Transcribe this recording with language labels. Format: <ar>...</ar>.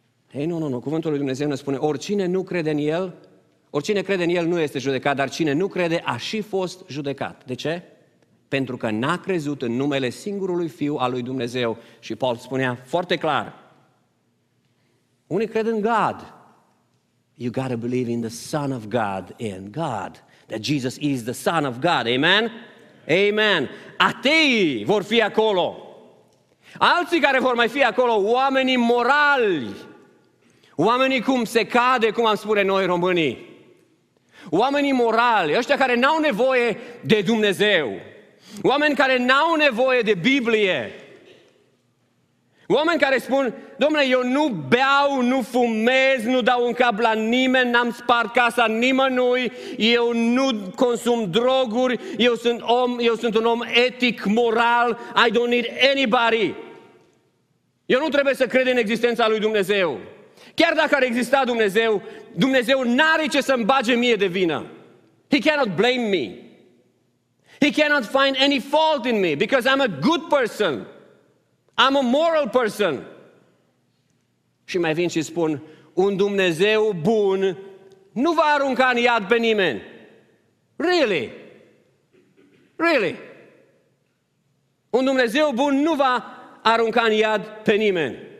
<ro>Ei, nu, cuvântul lui Dumnezeu ne spune, oricine nu crede în El, oricine crede în El nu este judecat, dar cine nu crede a și fost judecat. De ce? Pentru că n-a crezut în numele singurului Fiu al lui Dumnezeu. Și Paul spunea foarte clar, unii cred în God.</ro> <en>You gotta believe in the Son of God, in God, that Jesus is the Son of God.</en> <ro>Amen? Amen. Ateii vor fi acolo. Alții care vor mai fi acolo, oamenii morali, oamenii cum se cade, cum am spune noi românii, oamenii morali, ăștia care n-au nevoie de Dumnezeu, oameni care n-au nevoie de Biblie, oameni care spun, domnule, eu nu beau, nu fumez, nu dau în cap la nimeni, n-am spart casa nimănui, eu nu consum droguri, eu sunt un om etic, moral,</ro> <en>I don't need anybody.</en> <ro>Eu nu trebuie să cred în existența lui Dumnezeu. Chiar dacă ar exista Dumnezeu, Dumnezeu n-are ce să-mi bage mie de vină.</ro> <en>He cannot blame me. He cannot find any fault in me because I'm a good person. I'm a moral person.</en> <ro>Și mai vin și spun, un Dumnezeu bun nu va arunca în iad pe nimeni.</ro> <en>Really? Really?</en> <ro>Un Dumnezeu bun nu va arunca în iad pe nimeni.</ro>